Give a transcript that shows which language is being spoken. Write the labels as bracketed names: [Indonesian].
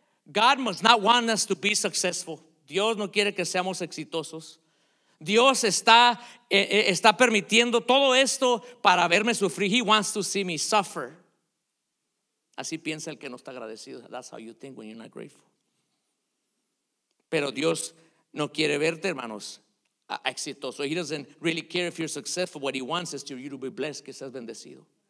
[English] God must not want us to be successful. [Spanish] Dios no quiere que seamos exitosos. Dios está permitiendo todo esto para verme sufrir. [English] He wants to see me suffer. [Spanish] Así piensa el que no está agradecido. [English] That's how you think when you're not grateful. [Spanish] Pero Dios no quiere verte, hermanos, exitoso. [English] He doesn't really care if you're successful. What he wants is for you to be blessed, [Spanish] que seas bendecido.